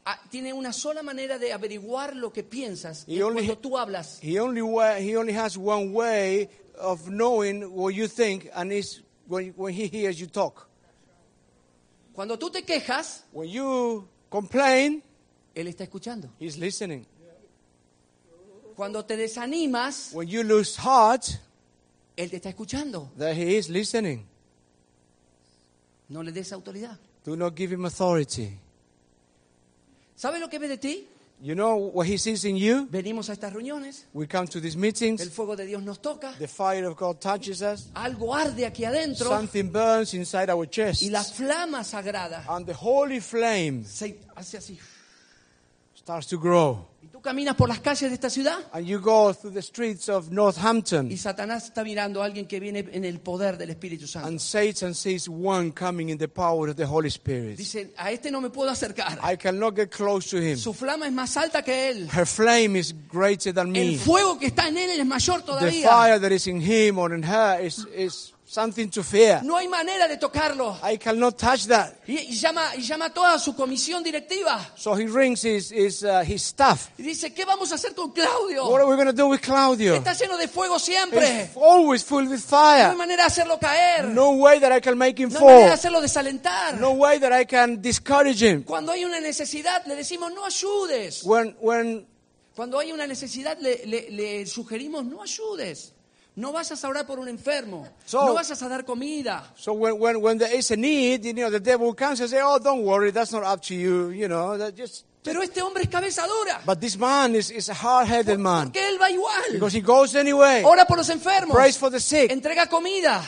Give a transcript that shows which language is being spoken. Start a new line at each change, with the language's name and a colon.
Spanish: Tiene una sola manera de averiguar lo que piensas cuando tú hablas.
English: He only has one way of knowing what you think, and it's when he hears you talk.
Spanish: Cuando tú te quejas,
English: when you complain,
Spanish: él está escuchando.
English: He's listening.
Spanish: Cuando te desanimas,
English: when you lose heart,
Spanish: él te está escuchando.
English: That he is listening.
Spanish: No le des autoridad.
English: Do not give him authority.
Spanish: ¿Sabe lo que ve de ti?
English: You know what he sees in you?
Spanish: Venimos a estas reuniones.
English: We come to these meetings.
Spanish: El fuego de Dios nos toca.
English: The fire of God touches us.
Spanish: Algo arde aquí adentro.
English: Something burns inside our chest.
Spanish: Y la flama sagrada.
English: And the holy flame.
Spanish: Se hace así.
English: Starts to grow.
Spanish: Y tú caminas por las calles de esta ciudad.
English: And you go through the streets of Northampton.
Spanish: Y Satanás está mirando a alguien que viene en el poder del Espíritu Santo.
English: And Satan sees one coming in the power of the Holy Spirit.
Spanish: Dice, a este no me puedo acercar.
English: I cannot get close to him.
Spanish: Su flama es más alta que él.
English: Her flame is greater than me.
Spanish: El fuego que está en él es mayor todavía.
English: The fire that is in him or in her is something to fear.
Spanish: No hay manera de tocarlo.
English: I cannot touch that.
Spanish: Y llama a toda su comisión directiva.
English: So he rings his staff.
Spanish: Y dice, ¿qué vamos a hacer con Claudio?
English: What are we going to do with Claudio?
Spanish: Está lleno de fuego siempre.
English: He's always filled with fire.
Spanish: No hay manera de hacerlo caer.
English: No way that I can make him
Spanish: no
English: fall.
Spanish: No hay manera de hacerlo desalentar.
English: No way that I can discourage him.
Spanish: Cuando hay una necesidad, le decimos, no ayudes. Cuando hay una necesidad, le sugerimos, no ayudes. No vayas a orar por un enfermo.
English: So,
Spanish: no vayas a dar comida.
English: So when there is a need, you know, the devil comes and says, oh, don't worry, that's not up to you, you know. That just.
Spanish: Pero este hombre es cabeza dura.
English: But this man is a hard-headed man.
Spanish: Porque él va igual.
English: Because he goes anyway.
Spanish: Ora por los enfermos.
English: Prays for the sick.
Spanish: Entrega comida.